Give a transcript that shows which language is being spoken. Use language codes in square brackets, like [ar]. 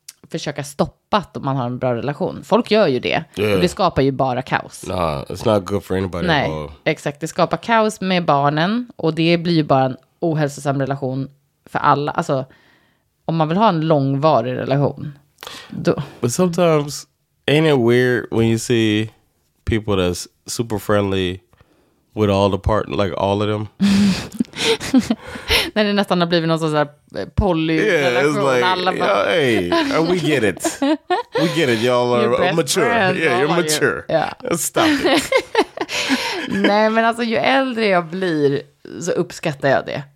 [sv] försöka stoppa att man har en bra relation. Folk gör ju det. [en] Yeah. [sv] Och det skapar ju bara kaos. [en] Nah, it's not good for anybody. [sv] Nej, exakt. Det skapar kaos med barnen. Och det blir ju bara en ohälsosam relation för alla. Alltså, om man vill ha en långvarig relation. Då... [en] But sometimes, ain't it weird when you see people that's super friendly with all the partners, like all of them? [sv] När det nästan har blivit någon sån här poly-relation. [en] Yeah, like, hey, we get it. We get it, y'all are mature. Friends, yeah, you're mature. Yeah. Stop it. [sv] Nej, men alltså ju äldre jag blir så uppskattar jag det.